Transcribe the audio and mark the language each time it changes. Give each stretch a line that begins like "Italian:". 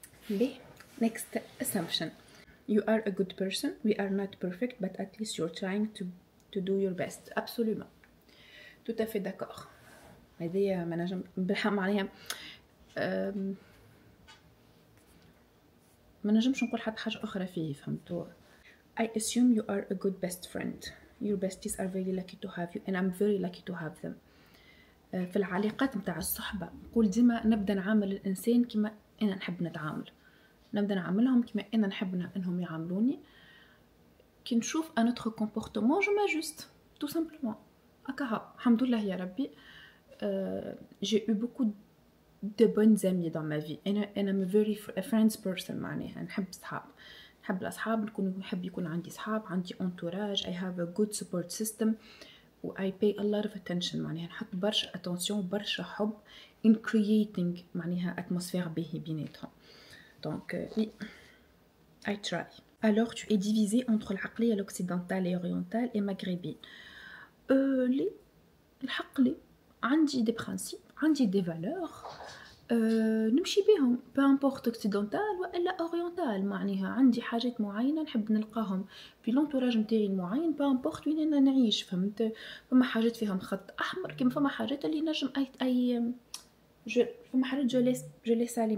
English: ليه next assumption you are a good person we are not perfect but at least you're trying to to do your best.
French: Absolument. Tout à fait d'accord.
Arabic: هذه ما نجم بالحق عليها ما نجمش نقول حتى حاجة أخرى فيه. فهمتوا؟
English: I assume you are a good best friend. Your besties are very lucky to have you and I'm very lucky to have them.
Arabic: في العلاقات متاع الصحبة نقول ديما نبدأ نعامل الإنسان كما أنا نحب نتعامل. نبدأ نعاملهم كما أنا نحب أنهم يعاملوني. كي نشوف
French: notre comportement, je m'ajuste. Tout simplement.
Arabic: أكها. الحمد لله يا ربي.
French: J'ai eu beaucoup de bonnes amies dans ma vie.
English: And I'm a very friends person.
Arabic: معناها نحب صحاب. نحب الأصحاب. نكون نحب يكون عندي صحاب. عندي
English: entourage. I have a good support system. و I pay a lot of attention.
Arabic: معناها نحط برشا attention برشا حب
English: in creating
Arabic: معناها atmosphere به بيناتهم.
English: Donc, I try.
French: Alors, tu es divisée entre l'عقلية l'occidentale et orientale et maghrébine. L'عقلية
Arabic: عندي
French: des principes, عندي des valeurs.
Arabic: نمشي بهم.
French: Peu importe occidental ou oriental.
Arabic: معناها عندي حاجات معينة نحب نلقاهم. في l'entourage متاعي المعين.
French: Peu importe
Arabic: وين أنا نعيش. فهمت؟ فما حاجات فيهم خط أحمر. كيما فما حاجات اللي نجم أي je فما حاجات
French: je laisse aller.